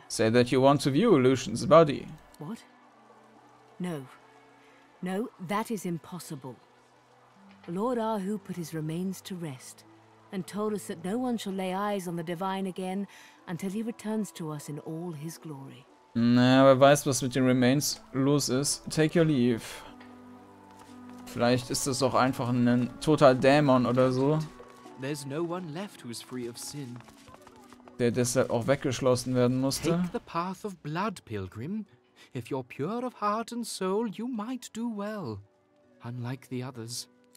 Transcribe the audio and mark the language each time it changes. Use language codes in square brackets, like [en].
[en] Say that you want to view Lucian's body. What? No. No, that is impossible. Lord Ahu put his remains to rest and told us that no one shall lay eyes on the divine again until he returns to us in all his glory. [de] Naja, wer weiß, was mit den Remains los ist. [en] Take your leave. [de] Vielleicht ist das auch einfach ein toter Dämon oder so. [en] There's no one left who is free of sin. [de] Der deshalb auch weggeschlossen werden musste. [en] Take the path of blood, pilgrim. If you're pure of heart and soul, you might do well. Unlike the others.